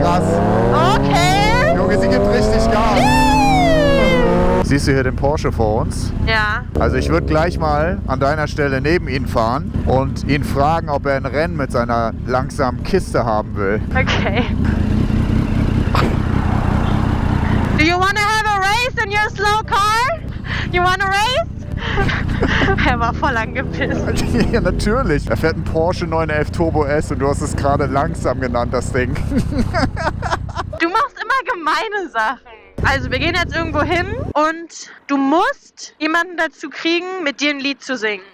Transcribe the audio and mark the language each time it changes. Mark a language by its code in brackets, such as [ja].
[de] Krass. Okay. Junge, sie gibt richtig Gas. Siehst du hier den Porsche vor uns? Ja. Also ich würde gleich mal an deiner Stelle neben ihn fahren und ihn fragen, ob er ein Rennen mit seiner langsamen Kiste haben will. Okay. [en] Do you wanna have a race in your slow car? You wanna race? [de] Er war voll angepisst. Ja, natürlich. Er fährt einen Porsche 911 Turbo S und du hast es gerade langsam genannt, das Ding. Du machst immer gemeine Sachen. Also wir gehen jetzt irgendwo hin und du musst jemanden dazu kriegen, mit dir ein Lied zu singen.